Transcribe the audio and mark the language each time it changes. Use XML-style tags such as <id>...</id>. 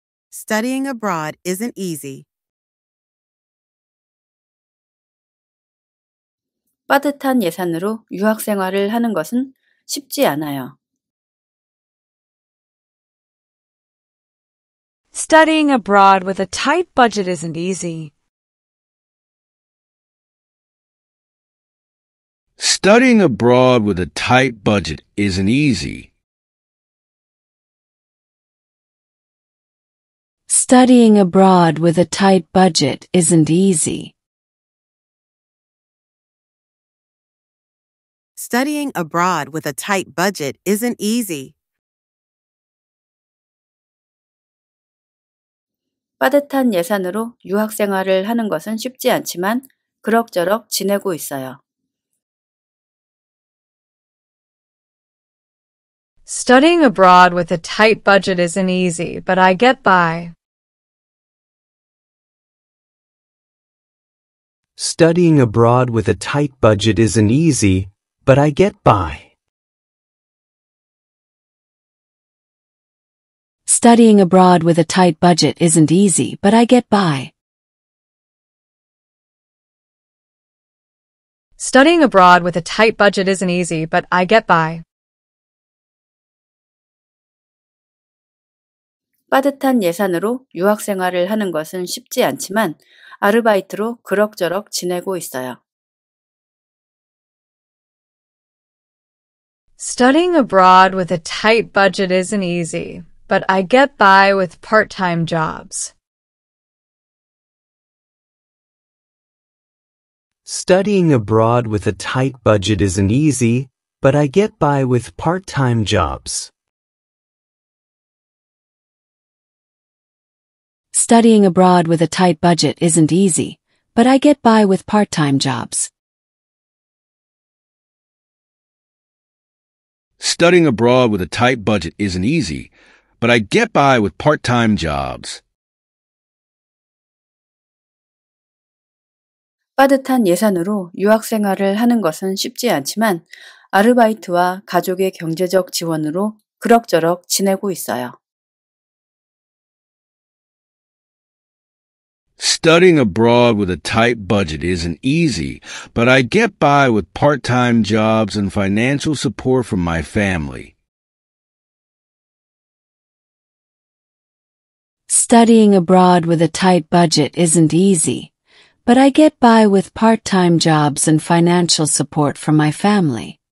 <en>Studying abroad isn't easy.</en> <ko>빠듯한 예산으로 유학 생활을 하는 것은 쉽지 않아요.</ko> <en>Studying abroad with a tight budget isn't easy. Studying abroad with a tight budget isn't easy. Studying abroad with a tight budget isn't easy. Studying abroad with a tight budget isn't easy.</en> <ko>빠듯한 예산으로 유학 생활을 하는 것은 쉽지 않지만 그럭저럭 지내고 있어요.</ko> <en>Studying abroad with a tight budget isn't easy, but I get by. Studying abroad with a tight budget isn't easy, but I get by. Studying abroad with a tight budget isn't easy, but I get by. Studying abroad with a tight budget isn't easy, but I get by.</en> <ko>빠듯한 예산으로 유학 생활을 하는 것은 쉽지 않지만 아르바이트로 그럭저럭 지내고 있어요.</ko> <en>Studying abroad with a tight budget isn't easy, but I get by with part-time jobs. Studying abroad with a tight budget isn't easy, but I get by with part-time jobs. Studying abroad with a tight budget isn't easy, but I get by with part-time jobs. Studying abroad with a tight budget isn't easy, but I get by with part-time jobs.</en> <ko>빠듯한 예산으로 유학 생활을 하는 것은 쉽지 않지만 아르바이트와 가족의 경제적 지원으로 그럭저럭 지내고 있어요.</ko> <en>Studying abroad with a tight budget isn't easy, but I get by with part-time jobs and financial support from my family. Studying abroad with a tight budget isn't easy, but I get by with part-time jobs and financial support from my family.</en>